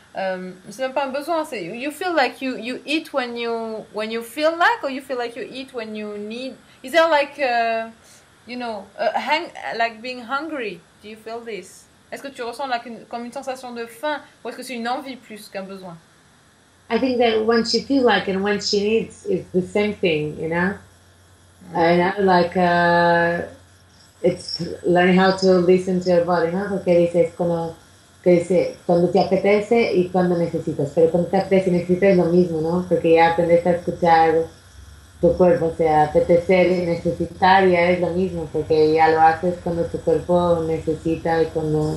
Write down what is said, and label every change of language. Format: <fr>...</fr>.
<fr>C'est même pas un besoin, c'est</fr> <en>you feel like you eat when you feel like, or you feel like you eat when you need. Is there like like being hungry? Do you feel this?</en> <fr>Est-ce que tu ressens là comme une sensation de faim, ou est-ce que c'est une envie plus qu'un besoin?</fr> <en>I think that when she feels like and when she needs, it's the same thing, you know? And like, it's learning how to listen to your body, ¿no?</en> <es>Porque dices cuando te apetece y cuando necesitas. Pero cuando te apetece y necesitas es lo mismo, ¿no? Porque ya aprendes a escuchar tu cuerpo, o sea, apetecer y necesitar ya es lo mismo, porque ya lo haces cuando tu cuerpo necesita y cuando,</es>